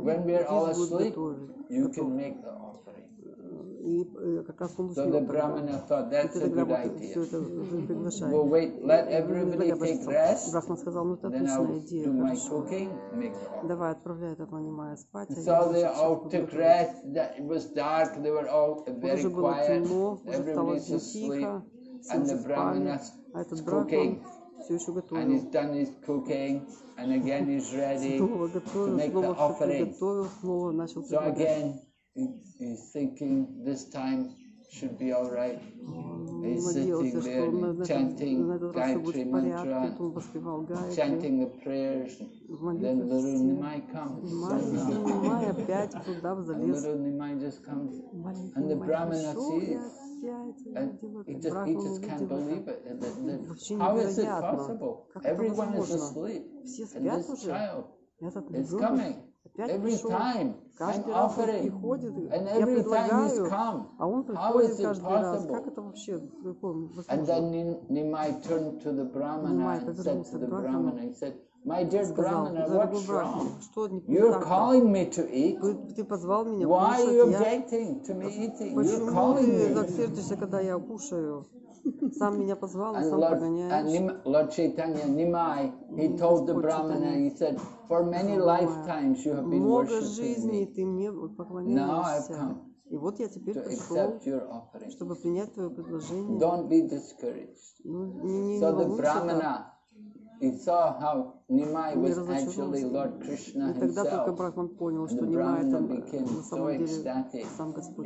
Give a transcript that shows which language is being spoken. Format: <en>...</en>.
<en>When we're all asleep, you can make the offering.</en> <ru>и как раз получил. Он сказал, ну это отличная идея, хорошо. Давай, отправляй этого аниме спать. Уже было темно, уже стало тихо, все уже спали. А этот брахман все еще готовил. И он снова готовил, снова все приготовил, снова начал приготовить.</ru> <en>He's thinking this time should be all right. He's sitting there chanting Gayatri mantra, chanting the prayers. Then Little Nimai comes. Little Nimai just comes, and the Brahmana sees. He just can't believe it. How is it possible? Everyone is asleep, and this child is coming. Every time I'm offering, and every time he's come, how is it possible? And then Nimai turned to the Brahmana and said to the Brahmana, he said, my dear Brahmana, what's wrong? You're calling me to eat? Why are you objecting to me eating? You're calling me to eat?</en> <ru>Сам меня позвал, сам погоняешь.</ru> <en>Lord Chaitanya Nimai, he told the Brahmana, he said, for many lifetimes you have been worshipping me. Now I've come.</en> <ru>И вот я теперь пришел, чтобы принять твое предложение.</ru> <en>Don't be discouraged. So the Brahmana, he saw how Nimai was actually Lord Krishna himself.</en> <ru>И тогда только Брахман понял, что Нимай это на самом деле сам Господь.</ru>